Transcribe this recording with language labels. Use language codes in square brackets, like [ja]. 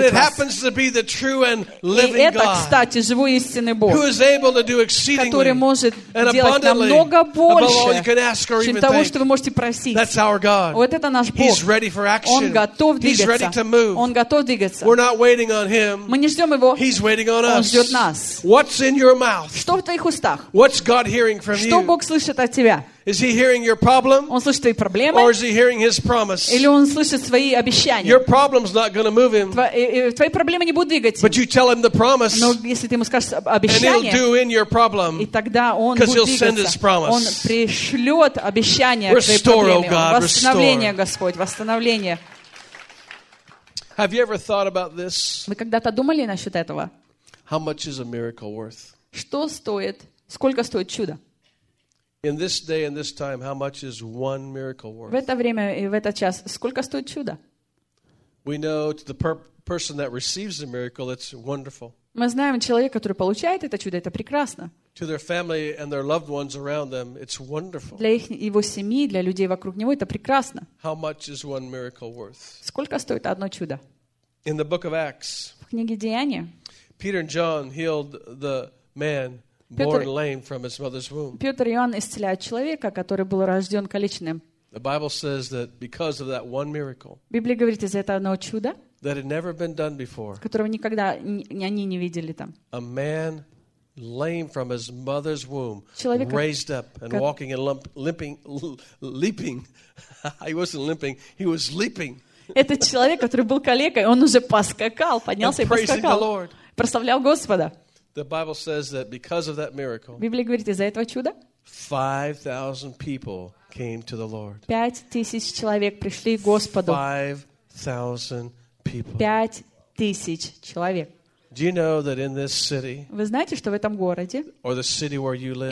[en] And it happens to be the true and living [ru] это, [en] God. [ru] И это, кстати, живой истинный Бог, [en] who is able to do exceedingly [ru] может [en] and abundantly. [ru] Намного больше, [en] all you can ask or even [ru] чем того, [en] think. [ru] Что вы можете просить. [en] That's our God. [ru] Вот это наш Бог. [en] He's ready for action. [ru] Он готов двигаться. [en] He's ready to move. [ru] Он готов двигаться. [en] We're not waiting on him. [ru] Мы не ждем Его. [en] He's waiting on [ru] Он [en] us. [ru] Ждет нас. [en] What's in your mouth? [ru] Что в твоих устах? [en] What's God hearing from you? [ru] Что Бог слышит от тебя? [en] Is he hearing your problem? [ru] Он слышит твои проблемы? [en] Or is he hearing his promise? [ru] Или он слышит свои обещания? [en] Your problem's not going to move him. [ru] Твои проблемы не будут двигать его. [en] But you tell him the promise. [ru] Но если ты ему скажешь обещание, [en] and he'll do in your problem. [ru] И тогда он будет двигаться. [en] Because he'll send his promise. [ru] Он пришлет обещание к твоей проблеме. Восстановление, Господь, восстановление. [en] Have you ever thought about this? [ru] Вы когда-то думали насчет этого? [en] How much is a miracle worth? [ru] Что стоит? Сколько стоит чудо? [en] In this day and this time, how much is one miracle worth? [ru] В это время и в этот час сколько стоит чудо? [en] We know to the person that receives the miracle, it's wonderful. [ru] Мы знаем человека, который получает это чудо, это прекрасно. [en] To their family and their loved ones around them, it's wonderful. [ru] Для их его семьи, для людей вокруг него это прекрасно. [en] How much is one miracle worth? [ru] Сколько стоит одно чудо? [en] In the book of Acts. [ru] В книге Деяния. [en] Peter and John healed the man born lame from his mother's womb. [ru] Петр и Иоанн исцеляют человека, который был рожден калечным. [en] The Bible says that because of that one miracle. [ru] Библия говорит из-за этого одного чуда. [en] That had never been done before. [ru] Которого никогда они не видели там. [en] A man lame from his mother's womb, raised up and walking and leaping. He wasn't limping. He was leaping. [ru] Этот человек, который был калекой, он уже поскакал, поднялся и поскакал. [en] Praising the Lord. [ru] Прославлял Господа. [en] The Bible says that because of that miracle, [ru] Библия говорит, из-за этого чуда [en] 5,000 people came to the Lord. [ru] 5,000 человек пришли к Господу. [en] 5,000 people. [ru] 5,000 человек. [en] Do you know that in this city, [ru] вы знаете, что в этом городе, [en] or the city where you live,